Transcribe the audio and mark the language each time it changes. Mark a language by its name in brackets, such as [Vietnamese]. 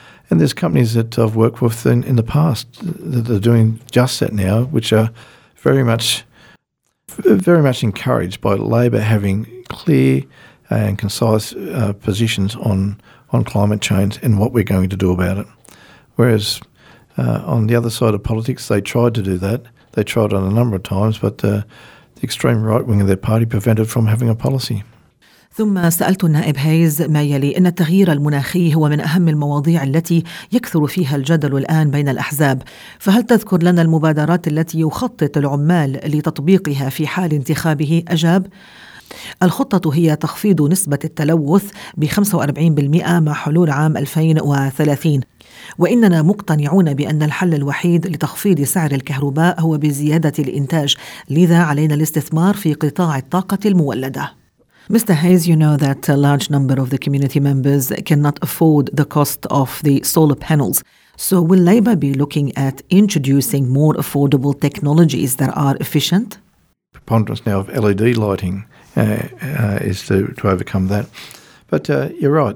[English] And there's companies that I've worked with in the past that are doing just that now, which are very much encouraged by Labor having clear and concise positions on climate change and what we're going to do about it. Whereas on the other side of politics, they tried to do that. They tried on a number of times, but the extreme right wing of their party prevented from having a policy. [Arabic] ثم سألت النائب هايز ما يلي: إن التغيير المناخي هو من أهم المواضيع التي يكثر فيها الجدل الآن بين الأحزاب، فهل تذكر لنا المبادرات التي يخطط العمال لتطبيقها في حال انتخابه؟ أجاب: الخطة هي تخفيض نسبة التلوث ب 45% مع حلول عام 2030، وإننا مقتنعون بأن الحل الوحيد لتخفيض سعر الكهرباء هو بزيادة الإنتاج، لذا علينا الاستثمار في قطاع الطاقة المولدة. [English] Mr. Hayes, you know that a large number of the community members cannot afford the cost of the solar panels. So will Labour be looking at introducing more affordable technologies that are efficient? Preponderance now of LED lighting is to overcome that. But you're right.